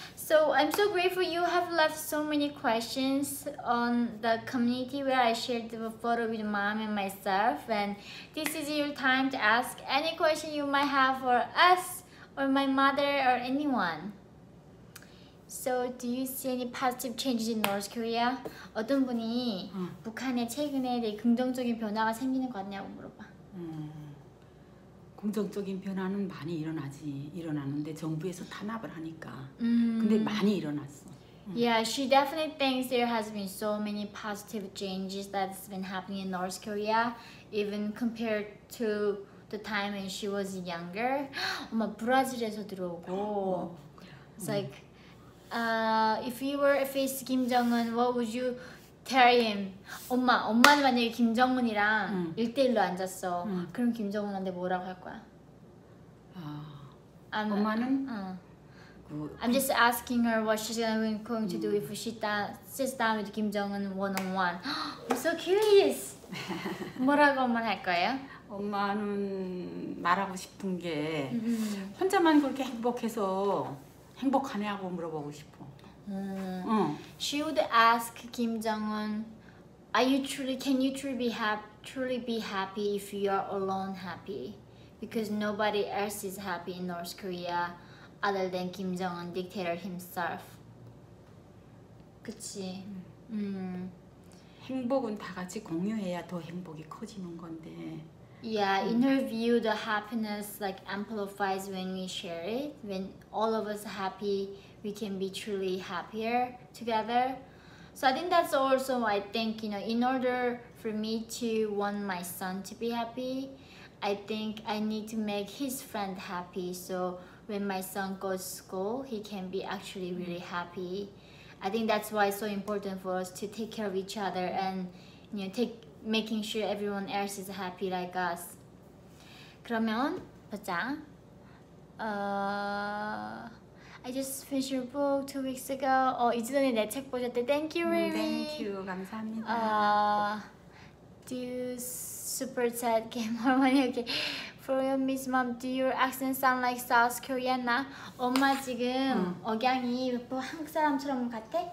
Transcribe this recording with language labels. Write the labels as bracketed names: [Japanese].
[English] So, I'm so grateful you have left so many questions on the community where I shared the photo with mom and myself. And this is your time to ask any question you might have for us or my mother or anyone. So, do you see any positive changes in North Korea? [Korean] 어떤 분이 북한에 최근에 되게 긍정적인 변화가 생기는 것 같냐고 물어봐. 긍정적인 변화는 많이 일어나지. 일어나는데 정부에서 탄압을 하니까. 근데 많이 일어났어. [English] Yeah, she definitely thinks there has been so many positive changes that's been happening in North Korea even compared to the time when she was younger. [Korean] 엄마 브라질에서 들어오고. [English] It's like if you were face Kim Jong-un, what would you tell him? [Korean] 엄마는 만약에 김정은이랑 1대1로 앉았어. 그럼 김정은한테 뭐라고 할 거야? 엄마는? [English] I'm just asking her what she's going to do if she sits down with 김정은 one-on-one. I'm so curious! [Korean] 뭐라고 엄마는 할 거예요? 엄마는 말하고 싶은 게 혼자만 그렇게 행복해서 행복하냐고 물어보고 싶어. [English] She would ask Kim Jong-un, can you truly be happy if you are alone happy? Because nobody else is happy in North Korea other than Kim Jong-un, dictator himself. [Korean] 그치? 행복은 다 같이 공유해야 더 행복이 커지는 건데. [English] Yeah, in her view, the happiness like amplifies when we share it. When all of us are happy, we can be truly happier together. So I think that's also, I think, you know, in order for me to want my son to be happy, I think I need to make his friend happy. So when my son goes to school, he can be actually really happy. I think that's why it's so important for us to take care of each other and, you know, making sure everyone else is happy like us. [Korean] 그러면 보자. [English] I just finished your book 2 weeks ago. [Korean] 이전에 내 책 보셨대. [English] Thank you, Riri. Thank you. [Korean] 감사합니다. [English] Do you super chat game harmony? Okay. For your Miss Mom, do your accent sound like South Korean now? [Korean] 엄마 지금 억양이 뭐 한국 사람처럼 같아?